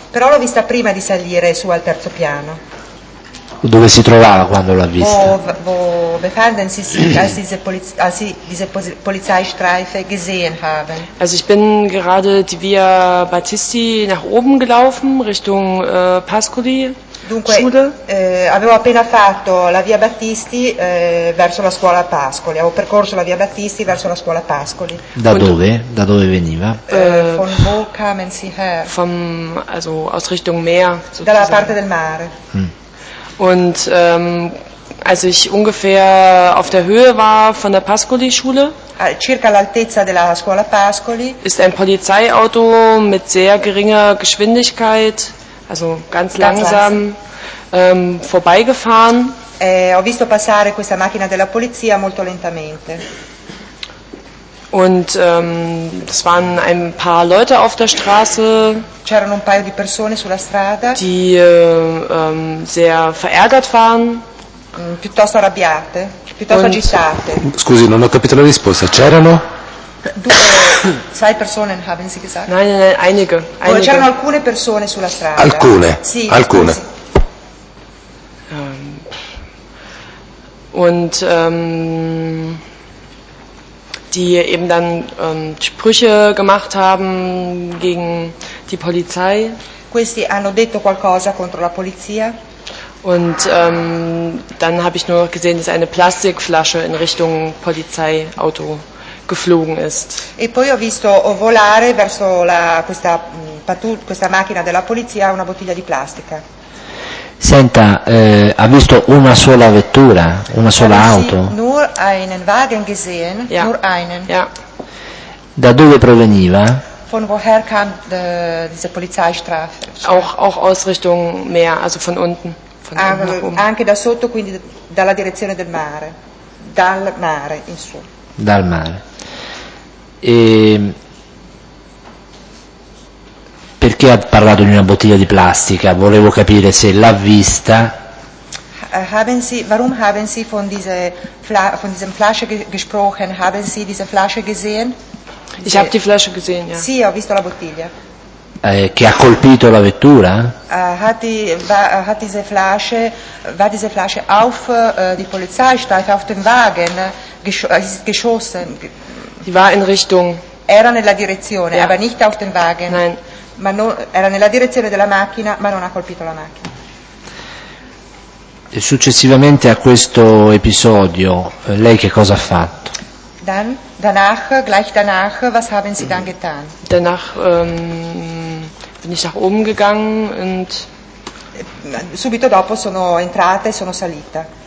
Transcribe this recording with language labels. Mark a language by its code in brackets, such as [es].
[it] Però l'ho vista prima di salire su al terzo piano. Dove si trovava quando l'ha vista? [de] Wo befanden Sie sich, als Sie diese Polizeistreife gesehen haben? Also ich bin gerade die Via Battisti nach oben gelaufen, Richtung Pascoli. [it] Dunque, avevo appena fatto la via Battisti verso la scuola Pascoli, avevo percorso la via Battisti verso la scuola Pascoli. Da dove? Da dove veniva? [de] Von wo kamen Sie her? Vom, also aus Richtung Meer. [it] Dalla parte del mare. [de] Und Als ich ungefähr auf der Höhe war von der Pascoli-Schule, [it] circa l'altezza della scuola Pascoli, [de] ist ein Polizeiauto mit sehr geringer Geschwindigkeit, also ganz langsam, vorbeigefahren. [it] Ho visto passare questa macchina della polizia molto lentamente. [de] Und es waren ein paar Leute auf der Straße, [it] c'erano un paio di persone sulla strada, [de] die sehr verärgert waren. [it] Piuttosto arrabbiate, piuttosto agitate. Scusi, non ho capito la risposta. C'erano? Sei persone, [de] haben Sie gesagt? Nein, nein, nein, einige. [it] Oh, c'erano alcune persone sulla strada. Alcune? Sì, alcune. [de] Und die eben dann Sprüche gemacht haben gegen die Polizei. [it] Questi hanno detto qualcosa contro la polizia. [de] Und dann habe ich nur gesehen, dass eine Plastikflasche in Richtung Polizeiauto geflogen ist. [it] E poi ho visto volare verso la questa macchina della polizia una bottiglia di plastica. Senta, ha visto una sola vettura, una sola auto? [de] Nur einen Wagen gesehen, ja. Nur einen. Ja. [it] Da dove proveniva? [de] Von woher kam diese Polizeistrafe? Auch aus Richtung Meer, also von unten. [it] Anche da sotto, quindi dalla direzione del mare, dal mare in su. Dal mare. E perché ha parlato di una bottiglia di plastica? Volevo capire se l'ha vista. [de] Haben Sie, warum haben Sie von diesem Flasche gesprochen? Haben Sie diese Flasche gesehen? Ich habe die Flasche gesehen, ja. [it] Sì, ho visto la bottiglia. Che ha colpito la vettura? [de] War diese Flasche auf die Polizeistreife, auf den Wagen geschossen? Die war in Richtung. [it] Era nella direzione, [de] ja. Aber nicht auf den Wagen. Nein. [it] Ma non, era nella direzione della macchina, ma non ha colpito la macchina. E successivamente a questo episodio, lei che cosa ha fatto? [de] Dann, danach, gleich danach, was haben Sie dann getan? Danach bin ich nach oben gegangen und [it] subito dopo sono entrata e sono salita.